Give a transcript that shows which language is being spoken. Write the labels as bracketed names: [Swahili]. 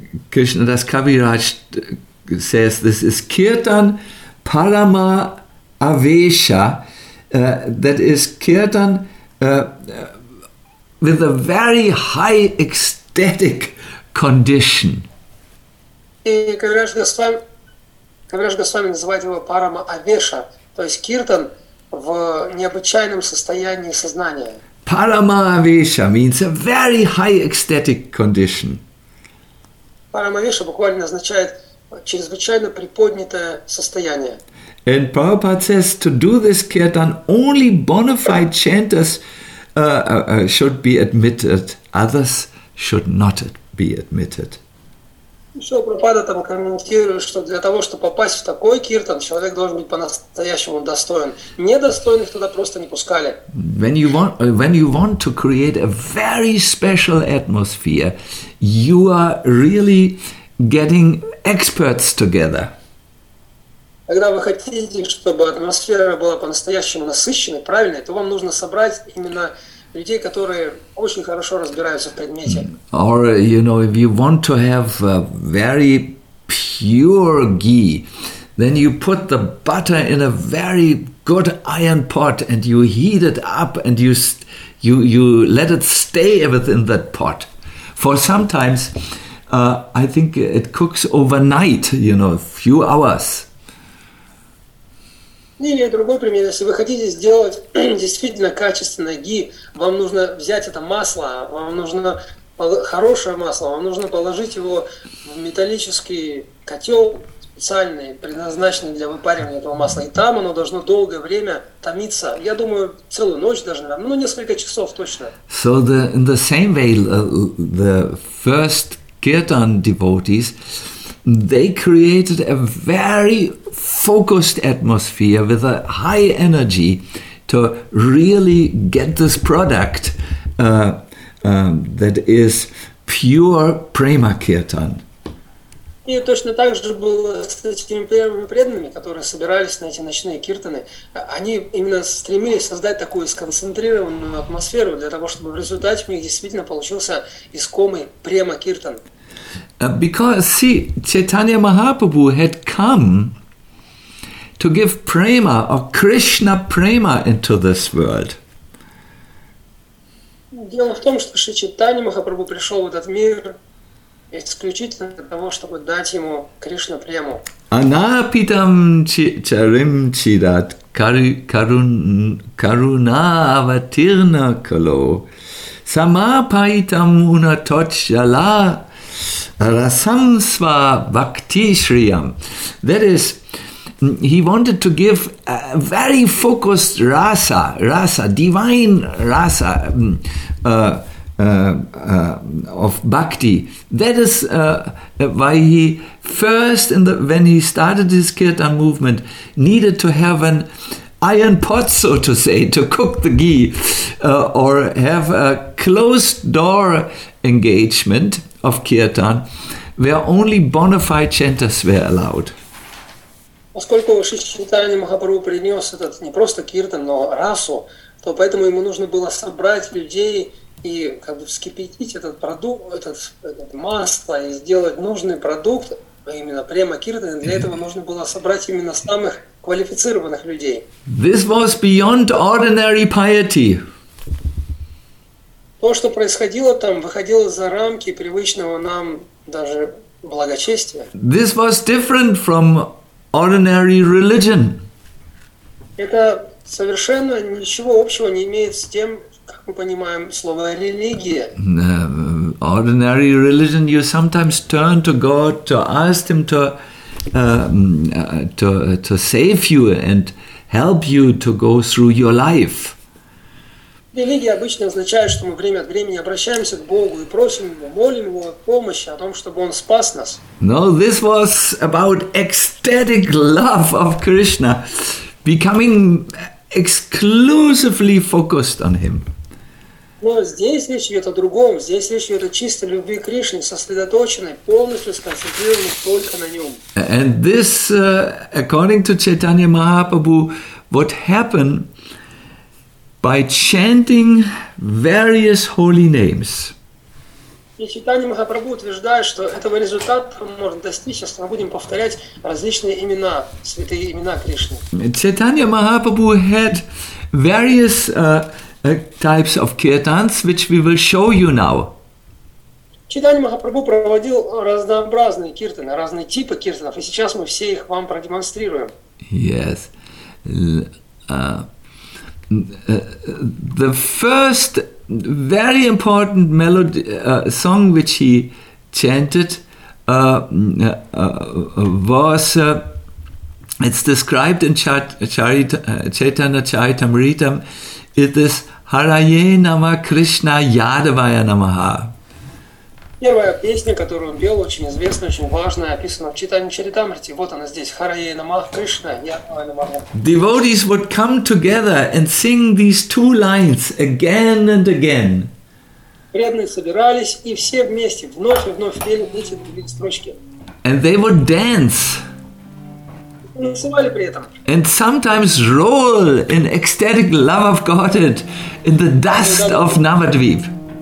[English] Кришнадас Кавирадж says this is kirtan parama avesha, that is kirtan with a very high ecstatic condition. [Russian] И Кавираш Госвами называет его парама авеша, то есть киртан в необычайном состоянии сознания. [English] Parama avesha means a very high ecstatic condition. [Russian] Parama avesha буквально означает чрезвычайно приподнятое состояние. [English] And Prabhupada says to do this kirtan only bona fide chanters should be admitted, others should not be admitted. [Russian] Еще Прабхупада там комментирует, что для того, чтобы попасть в такой киртан, человек должен быть по-настоящему достоин. Недостойных туда просто не пускали. [English] When you want to create a very special atmosphere, you are really getting experts together. [Russian] Когда вы хотите, чтобы атмосфера была по-настоящему насыщенной, правильной, то вам нужно собрать именно людей, которые очень хорошо разбираются в предмете. [English] Or, you know, if you want to have a very pure ghee, then you put the butter in a very good iron pot and you heat it up and you let it stay within that pot. For sometimes, I think it cooks overnight, you know, a few hours. [Russian] Или другой пример, если вы хотите сделать действительно качественный ги, вам нужно взять это масло, вам нужно хорошее масло, вам нужно положить его в металлический котел с специальные, предназначенные для выпаривания этого масла. И там оно должно долгое время томиться. Я думаю, целую ночь даже, ну, несколько часов точно. [English] So the, in the same way, the first Kirtan devotees, they created a very focused atmosphere with a high energy to really get this product that is pure prema kirtan. [Russian] И точно так же было с этими первыми преданными, которые собирались на эти ночные киртаны. Они именно стремились создать такую сконцентрированную атмосферу для того, чтобы в результате у них действительно получился искомый према киртан. [English] Because, see, Chaitanya Mahaprabhu had come to give prema or Krishna prema into this world. [Russian] Дело в том, что Шри Чайтанья Махапрабху пришел в этот мир исключительно для того, чтобы дать ему Кришна прему. [Sanskrit] Анапитам чарим чидат карунаватирна кало самапайтам унаточала rasam sva bhakti shriyam. [English] That is, he wanted to give a very focused rasa, divine rasa of bhakti. That is why he first, when he started his kirtan movement, needed to have an iron pot, so to say, to cook the ghee, or have a closed door engagement of kirtan, where only bona fide chanters were allowed. [Russian] Поскольку Шри Чайтанья Махапрабху принес этот не просто киртан, но расу, то поэтому ему нужно было собрать людей и как бы вскипятить этот продукт, этот масло и сделать нужный продукт, именно према киртан. Для этого нужно было собрать именно самых квалифицированных людей. [English] This was beyond ordinary piety. [Russian] То, что происходило там, выходило за рамки привычного нам даже благочестия. [English] This was different from ordinary religion. [Russian] Это совершенно ничего общего не имеет с тем, как мы понимаем слово религия. [English] Ordinary religion, you sometimes turn to God to ask Him to save you and help you to go through your life. [Russian] Религия обычно означает, что мы время от времени обращаемся к Богу и просим Его, молим Его о помощи, о том, чтобы Он спас нас. [English] No, this was about ecstatic love of Krishna, becoming exclusively focused on Him. [Russian] Но здесь речь идет о другом, здесь речь идет о чистой любви к Кришне, сосредоточенной, полностью сконцентрированной только на Нем. [English] And this, according to Chaitanya Mahaprabhu, what happened by chanting various holy names. [Russian] И Чайтанья Махапрабху утверждает, что этого результата можно достичь, если мы будем повторять различные имена, святые имена Кришны. [English] Чайтанья Махапрабху had various types of kirtans, which we will show you now. [Russian] Чайтанья Махапрабху проводил разнообразные киртаны, разные типы киртанов, и сейчас мы все их вам продемонстрируем. [English] Yes. The first very important melody song which he chanted was it's described in Chaitanya Charitamritam. It is [Sanskrit] Haraye Nama Krishna Yadavaya Namaha. [Russian] Первая песня, которую он пел, очень известная, очень важная, описана в Чайтанья Чаритамрите. Вот она здесь. [Sanskrit] Харайе Намах Кришна, Ядавая Намаха. [English] Devotees would come together and sing these two lines again and again. [Russian] Преданные собирались и все вместе вновь и вновь пели эти две строчки. [English] And they would dance. [Russian] Танцевали при этом. [English] And sometimes roll in ecstatic love of Godhead in the dust of Navadvip.